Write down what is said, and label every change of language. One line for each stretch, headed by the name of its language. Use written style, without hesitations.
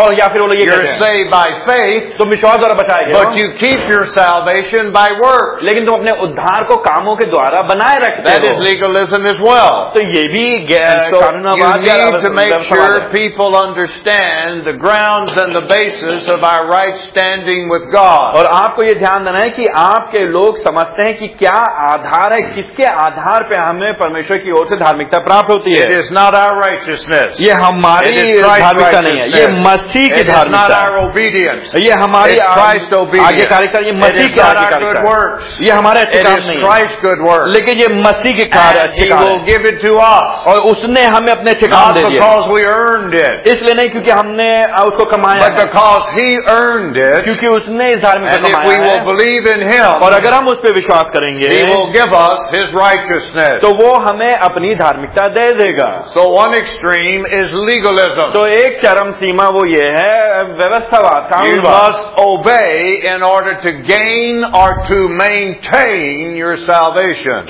Hindi: और या फिर वो लोग ये कहते हैं,
English: you're saved by faith.
Hindi: तुम विश्वास द्वारा बचाए गए हो।
English: But you keep your salvation by works.
Hindi: लेकिन तुम अपने उद्धार को कामों के द्वारा बनाए रखते हो।
English: That is legalism as well.
Hindi: तो ये भी कानूनवाद है।
English: You need to make sure people understand the grounds and the basis of our right standing with God.
Hindi: और आपको ये ध्यान देना है कि आपके लोग समझते हैं कि क्या आधार है, किसके आधार पे हमें परमेश्वर की ओर से धार्मिकता प्राप्त होती है।
English: It is not our righteousness.
Hindi: ये हमारी धार्मिकता नहीं है, ये मसीह की धार्मिकता है।
English: It is not our obedience.
Hindi: ये हमारी
English: Christ obedience.
Hindi: ये मसीह की धार्मिकता। ये हमारे अच्छे काम नहीं है,
English: Christ good works.
Hindi: लेकिन ये मसीह के कार्य अच्छे काम है।
English: He will give it to us.
Hindi: और उसने हमें अपने अच्छे काम दे दिए।
English: Because we earned it.
Hindi: इसलिए नहीं क्योंकि हमने उसको कमाया है।
English: Because he earned it.
Hindi: क्योंकि उसने इस धार्मिकता कमाया है।
English: And if we will believe in him,
Hindi: और अगर हम उस पर विश्वास करेंगे,
English: he will give us his righteousness.
Hindi: तो वो हमें अपनी धार्मिकता दे देगा।
English: So one extreme is legalism.
Hindi: तो एक चरम सीमा वो ये है व्यवस्थावाद, कानूनवाद।
English: You must obey in order to gain or to maintain your salvation.